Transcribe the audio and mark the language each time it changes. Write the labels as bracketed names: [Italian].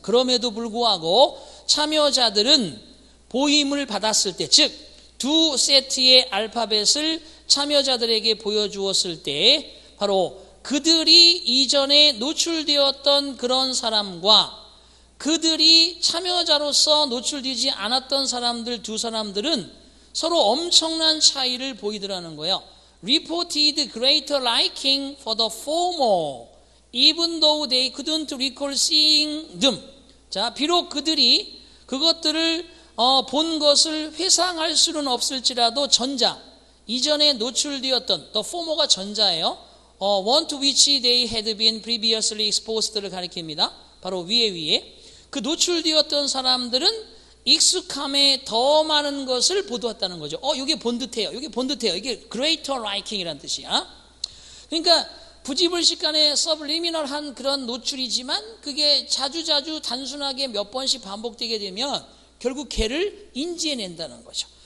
[Korean] 그럼에도 불구하고 참여자들은 보임을 받았을 때, 즉 두 세트의 알파벳을 참여자들에게 보여주었을 때 바로 그들이 이전에 노출되었던 그런 사람과 그들이 참여자로서 노출되지 않았던 사람들 두 사람들은 서로 엄청난 차이를 보이더라는 거예요. [English] Reported greater liking for the former, even though they couldn't recall seeing them. [Korean] 자, 비록 그들이 그것들을 본 것을 회상할 수는 없을지라도 전자, 이전에 노출되었던, the former 가 전자예요. [English] One to which they had been previously exposed를 가리킵니다. [Korean] 바로 위에. 그 노출되었던 사람들은 익숙함에 더 많은 것을 보도했다는 거죠. 이게 본 듯해요. 이게 greater liking 이라는 뜻이야. 그러니까 부지불식간에 서블리미널한 그런 노출이지만 그게 자주자주 단순하게 몇 번씩 반복되게 되면 결국 걔를 인지해낸다는 거죠.